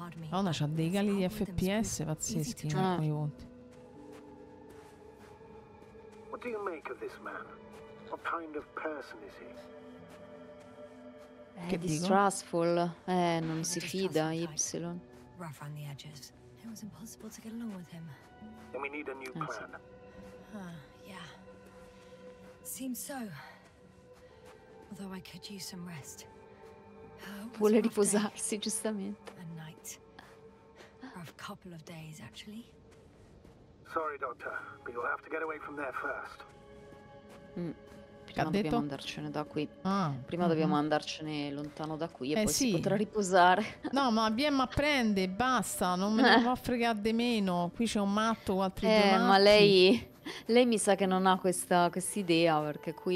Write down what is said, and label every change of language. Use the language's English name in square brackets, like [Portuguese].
[Italian] Madonna, c'ha dei cali di FPS pazzeschi. [English] What do you make of this man? What kind of person is he? [Italian] Che è distrustful, non si fida. [English] Ypsilon rough on the edges, it was impossible to get along with him. Then we need a new plan. Yeah, seems so. Although I could use some rest. [Italian] Vuole riposarsi, giustamente. [English] A night, rough couple of days actually. Sorry doctor, but you'll have to get away from there first. [Italian] che ha detto? Dobbiamo andarcene da qui. Ah, prima dobbiamo andarcene lontano da qui e poi sì. Si potrà riposare. No, ma BM apprende, basta, non me ne può fregare di meno. Qui c'è un matto o altri due matti. Ma lei mi sa che non ha questa idea, perché qui